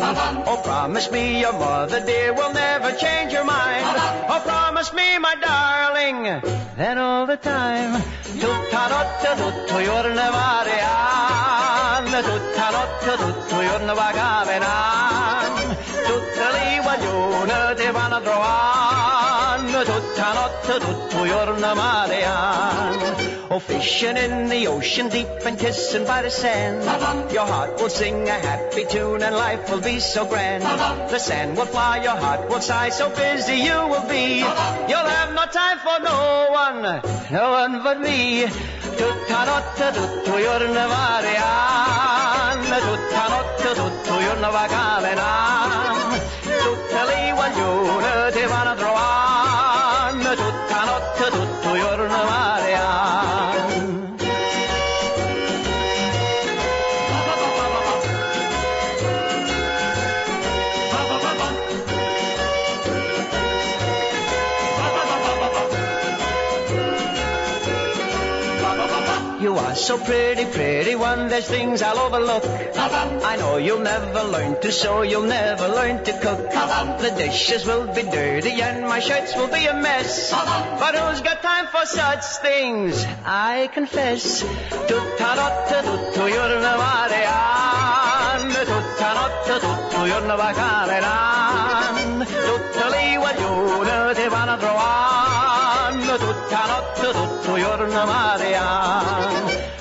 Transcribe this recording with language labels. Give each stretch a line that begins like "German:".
English: Oh, promise me your mother dear will never change your mind. Oh, promise me my darling that all the time.
Italian: Tutta notte, tutto giorno Marianna, tutta notte, tutto giorno va camminando, tutte le guaglione ti vanno a trovare, tutta notte, tutto giorno Marianna.
English: Oh, fishing in the ocean deep and kissing by the sand, your heart will sing a happy tune and life will be so grand. The sand will fly, your heart will sigh, so busy you will be, you'll have no time for no one, no one but me.
Italian: Tutta notte, tutto giorno Marianna, tutta notte, tutto giorno va camminando, tutte le guaglione ti vanno a trovare, tutta notte, tutto giorno
English: so pretty, pretty one, there's things I'll overlook. I know you'll never learn to sew, you'll never learn to cook. The dishes will be dirty and my shirts will be a mess. But who's got time for such things? I confess.
Italian: Tutta notte, tutto giorno Marianna, tutta notte, tutto giorno va camminando, tutto lì guaglione ti vanno a trovare, tutta notte, tutto giorno Marianna.